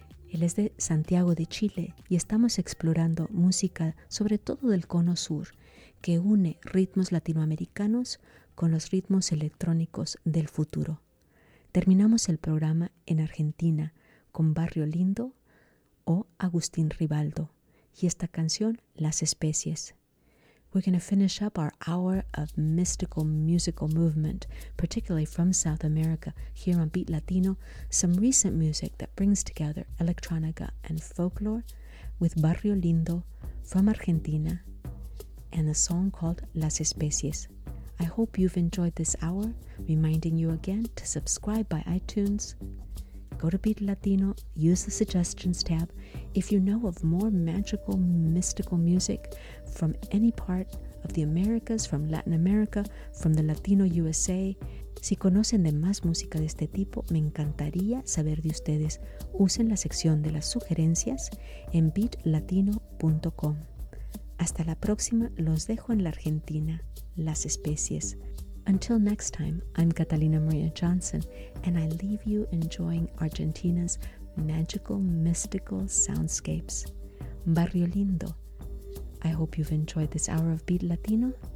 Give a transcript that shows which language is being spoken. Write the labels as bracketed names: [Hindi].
[Spanish] Él es de Santiago de Chile y estamos explorando música, sobre todo del cono sur, que une ritmos latinoamericanos con los ritmos electrónicos del futuro. Terminamos el programa en Argentina con Barrio Lindo o Agustín Ribaldo y esta canción Las Especies. [English] We're going to finish up our hour of mystical musical movement, particularly from South America, here on Beat Latino, some recent music that brings together electronica and folklore with Barrio Lindo from Argentina and a song called Las Especies. I hope you've enjoyed this hour, reminding you again to subscribe by iTunes. Go to Beat Latino, use the suggestions tab. If you know of more magical, mystical music from any part of the Americas, from Latin America, from the Latino USA, [Spanish] si conocen de más música de este tipo, me encantaría saber de ustedes. Usen la sección de las sugerencias en beatlatino.com. Hasta la próxima, los dejo en la Argentina, Las Especies. [English] Until next time, I'm Catalina Maria Johnson, and I leave you enjoying Argentina's magical, mystical soundscapes. Barrio Lindo. I hope you've enjoyed this hour of Beat Latino.